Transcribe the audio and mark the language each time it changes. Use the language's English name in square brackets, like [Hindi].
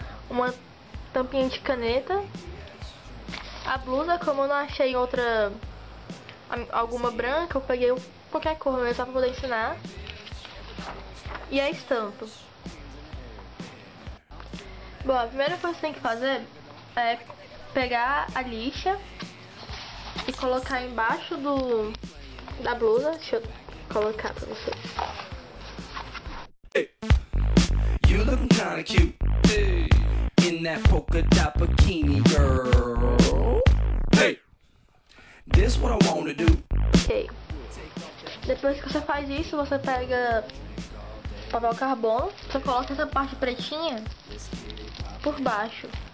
[Portuguese] Uma tampinha de caneta. A blusa, como eu não achei outra, alguma branca, eu peguei qualquer cor mesmo, só pra poder ensinar. E a estampa. Bom, a primeira coisa que você tem que fazer é pegar a lixa e colocar embaixo da blusa. Deixa eu colocar pra vocês. [English] You looking kinda cute in that polka dot bikini, girl. Hey, this what I wanna do. Ok. [Portuguese] Depois que você faz isso, você pega papel carbono, você coloca essa parte pretinha por baixo.